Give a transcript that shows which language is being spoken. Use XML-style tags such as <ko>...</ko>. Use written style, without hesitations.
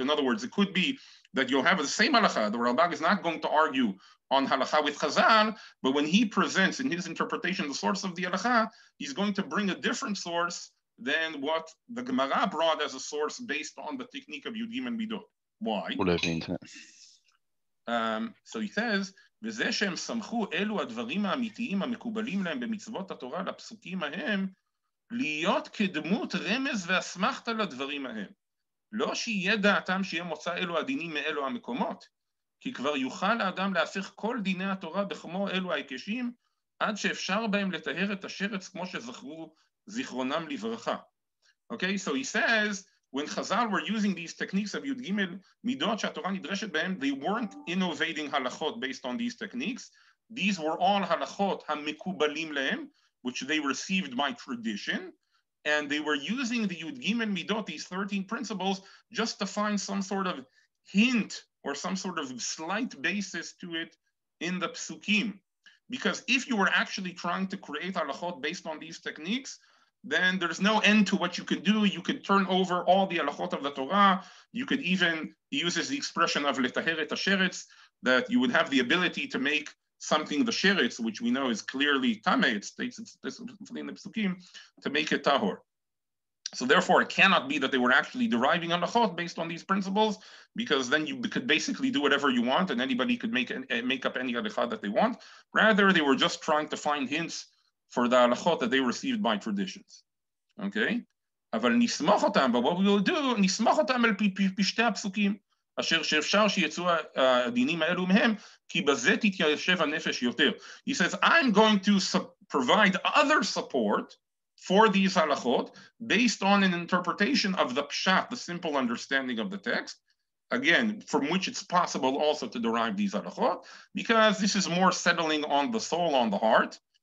<en>In other words, it could be that you'll have the same הלכה. The Ralbag is not going to argue on הלכה with Chazal, but when he presents in his interpretation the source of the הלכה, he's going to bring a different source than what the Gemara brought as a source based on the technique of Yudim and Midot. Why?</en> <he>So he says, וזה שהם סמכו אלו הדברים האמיתיים המקובלים להם במצוות התורה לפסוקים ההם, להיות כדמות רמז והסמכת לדברים ההם. לא שיהיה דעתם שיהיה מוצא אלו הדינים מאלו המקומות, כי כבר יוכל האדם להפך כל דיני התורה בכמו אלו ההיקשים, עד שאפשר בהם לטהר את השרץ כמו שזכרו, זיכרונם לברכה.</he> <en>Okay, so he says, when Chazal were using these techniques of Yud Gimel Midot</en> <he>שהתורה נדרשת בהם,</he> <en>they weren't innovating halachot based on these techniques. These were all halachot</en> <he>המקובלים להם,</he> <en>which they received by tradition, and they were using the Yud Gimel Midot, these 13 principles, just to find some sort of hint or some sort of slight basis to it in the psukim. Because if you were actually trying to create halachot based on these techniques, then there's no end to what you could do. You could turn over all the halachot of the Torah. You could even, he uses the expression of</en> <he>letaher et asheretz,</he> <en>that you would have the ability to make something the sheretz, which we know is clearly tameh, it states in the psukim, to make it tahor. So therefore, it cannot be that they were actually deriving halachot based on these principles, because then you could basically do whatever you want and anybody could make up any halacha that they want. Rather, they were just trying to find hints for the halachot that they received by traditions. Okay?</en> <he>אבל נסמוך אותם,</he> <en>but what we will do,</en> <he>נסמוך אותם אל פשטי הפסוקים, אשר שאפשר שיצאו הדינים האלו מהם, כי בזה תתיישב הנפש יותר.</he> <en>He says, I'm going to provide other support for these halachot, based on an interpretation of the pshat, the simple understanding of the text, again, from which it's possible also to derive these halachot, because this is more settling on the soul, on the heart.</en>